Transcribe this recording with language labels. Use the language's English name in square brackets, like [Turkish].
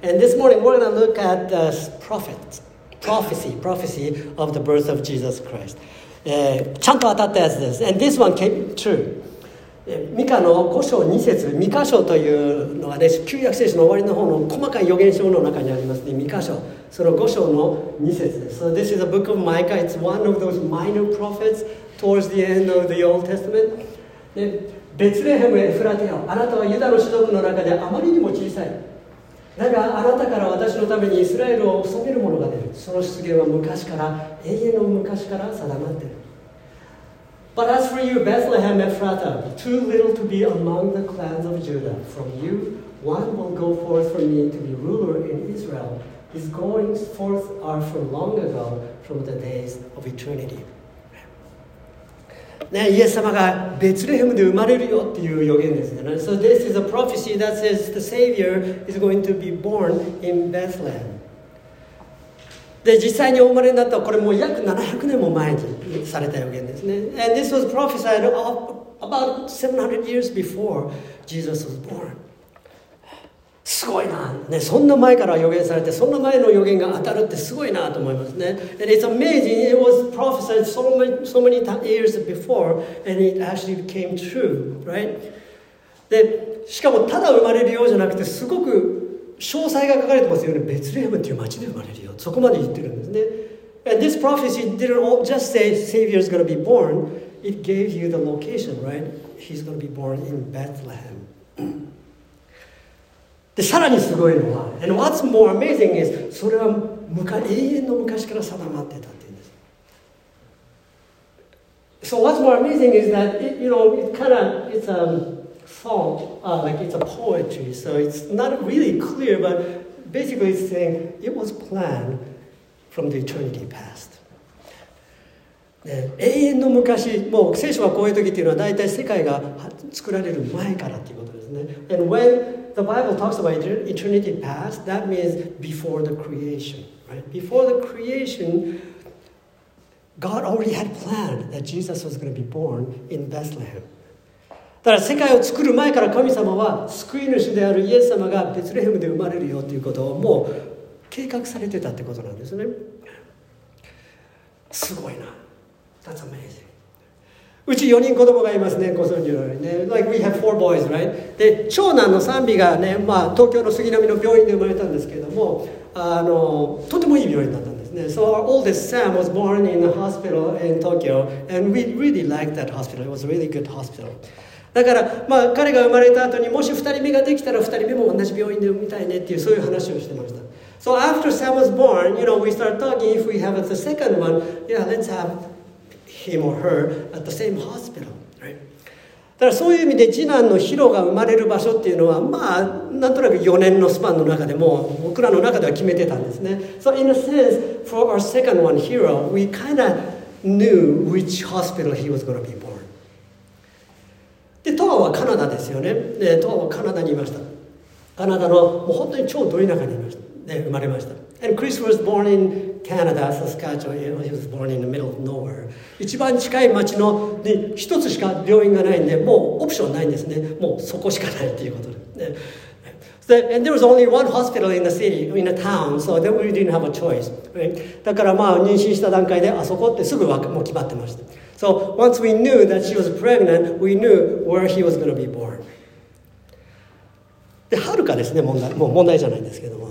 [English] And this morning we're going to look at the prophets. Prophecy of the birth of Jesus Christ. [Japanese] ちゃんと当たったやつです。 [English] And this one came true. [Japanese] ミカの5章2節、ミカ書というのはね、旧約聖書の終わりの方の細かい予言書の中にありますね。ミカ書、その5章の2節です。 [English] So this is the book of Micah. It's one of those minor prophets towards the end of the Old Testament. [Japanese] ベツレヘムエフラテオ、あなたはユダの種族の中であまりにも小さい。だがあなたから私のためにイスラエルを治める者が出る。その出現は昔から、永遠の昔から定まっている。 [English] But as for you, Bethlehem Ephrathah, too little to be among the clans of Judah, from you one will go forth from me to be ruler in Israel. His goings forth are from long ago, from the days of eternity.、 [Japanese] ね、イエス様がベツレヘムで生まれるよっていう予言ですよね。 [English] So this is a prophecy that says the Savior is going to be born in Bethlehem. [Japanese] で実際にお生まれになったこれもう約700年も前にされた予言ですね。 [English] And this was prophesied about 700 years before Jesus was born. [Japanese] すごいな、ね、そんな前から予言されてそんな前の予言が当たるってすごいなと思いますね。 [English] And it's amazing, it was prophesied so many years before and it actually became true, right? [Japanese] でしかもただ生まれるようじゃなくてすごく詳細が書かれてますよね。ベツレヘムっていう町で生まれるよ、そこまで言ってるんですね。 [English] And this prophecy didn't just say Savior is going to be born, it gave you the location, right? He's going to be born in Bethlehem. [Japanese] でさらにすごいのは、 [English] And what's more amazing is [Japanese] それは永遠の昔から定まってたっていうんです。 [English] So what's more amazing is that it, you know, it kind of it's a、song, like it's a poetry, so it's not really clear, but basically it's saying it was planned from the eternity past. [Japanese] 永遠の昔、もう聖書はこういう時っていうのは大体世界が作られる前からっていうことですね。 [English] And when the Bible talks about eternity past, that means before the creation, right? Before the creation, God already had planned that Jesus was going to be born in Bethlehem. [Japanese] だから世界を作る前から神様は救い主であるイエス様がベツレヘムで生まれるよということをもう計画されてたってことなんですね。すごいな。 [English] That's amazing. [Japanese] うち4人子供がいますね、ご存知のようにね。 [English] Like we have four boys, right? [Japanese] で、長男の賛美がね、まあ、東京の杉並の病院で生まれたんですけども、とてもいい病院だったんですね。 [English] So our oldest Sam was born in a hospital in Tokyo, and we really liked that hospital. It was a really good hospital. [Japanese] だから、まあ、彼が生まれた後にもし2人目ができたら2人目も同じ病院で産みたいねっていう、そういう話をしてました。 [English] So after Sam was born, you know, we started talking if we have the second one, yeah, let's have... him or her at the same hospital, right? [Japanese] だからそういう意味で次男のヒロが生まれる場所っていうのはまあなんとなく4年のスパンの中でも僕らの中では決めてたんですね。 [English] So in a sense, for our second one, Hiro, we kind of knew which hospital he was going to be born. [Japanese] で、トアはカナダですよね。で、トアはカナダにいました。カナダのもう本当に超ど田舎にいました。で、生まれました。 [English] And Chris was born in Canada, Saskatchewan. You know, he was born in the middle of nowhere. [Japanese] 一番近い町の、ね、一つしか病院がないんで、もうオプションないんですね。もうそこしかないっていうことで。で、 [English] and there was only one hospital in the city, in a town, so then we didn't have a choice.、Right? [Japanese] だからまあ妊娠した段階であそこってすぐもう決まってました。 [English] So once we knew that she was pregnant, we knew where he was going to be born. [Japanese] で、はるかですね、問題、もう問題じゃないんですけども。